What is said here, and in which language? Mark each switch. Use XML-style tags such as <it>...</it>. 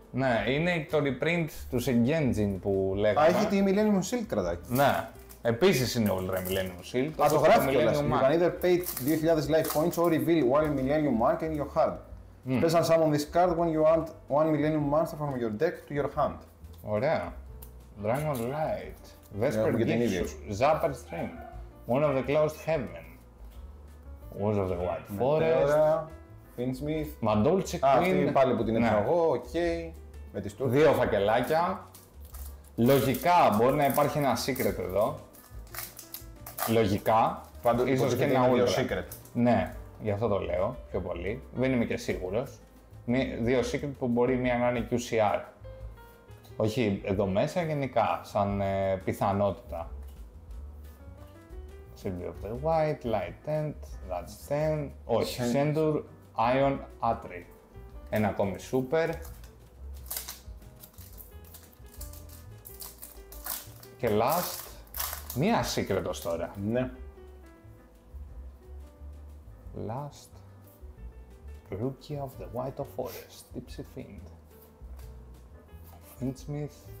<el>Ναι, είναι το reprint του Sengenjin που λέγαμε. Α, έχει τη Millennium Shield κρατάκι. Ναι, επίσης είναι ούλτρα Millennium Shield. Α, το γράφει κιόλας.</el> <en>You can either pay 2000 life points or reveal one Millennium Mark in your hand. Press and summon this card when you add one Millennium Monster from your deck to your hand.</en> <el>Ωραία.</el> <en>Dragon Light. Vesper Gixxus, Zapper Stream, One of the Closed Heaven, Wars of the White Forest, Finsmith, Mandolce Queen.</en> <el>Αυτή πάλι που την έφερα εγώ, οκ. Με τις τούρες. Δύο φακελάκια. Λογικά μπορεί να υπάρχει ένα secret εδώ. Λογικά. Πάντως ίσως και ένα ούλτρα.</el> <en>Secret.</en> <el>Ναι, γι' αυτό το λέω πιο πολύ. Δεν είμαι και σίγουρος. Δύο secret που μπορεί μία να είναι QCR. Όχι, εδώ μέσα γενικά, σαν πιθανότητα.</el> <en>Silver of the White, Light End, That's 10.</en> <el>Όχι,</el> <en>Sendur, Ion, Atri.</en> <el>Ένα ακόμη Super. Και last, μία Secret τώρα. Ναι.</el> <en>Last, Rookie of the White of Forest, Tipsy Fiend. Finsmith.</en>